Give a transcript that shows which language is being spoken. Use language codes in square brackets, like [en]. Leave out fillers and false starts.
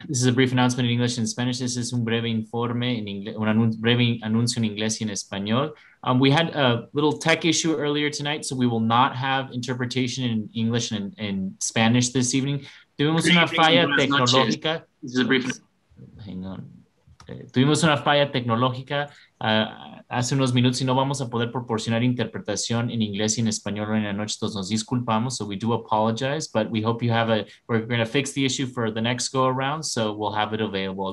[en] This is a brief announcement in English and Spanish. This is [es] un breve informe [en] in English, [es] breve anuncio en inglés y en español. [en] We had a little tech issue earlier tonight, so we will not have interpretation in English and in Spanish this evening. [es] Tuvimos una falla tecnológica. [en] This is a brief. Hang on. [es] Tuvimos una falla tecnológica hace unos minutos y no vamos a poder proporcionar interpretación en inglés y en español hoy en la noche. Entonces nos disculpamos. [en] So we do apologize, but we hope you have a. We're going to fix the issue for the next go around, so we'll have it available.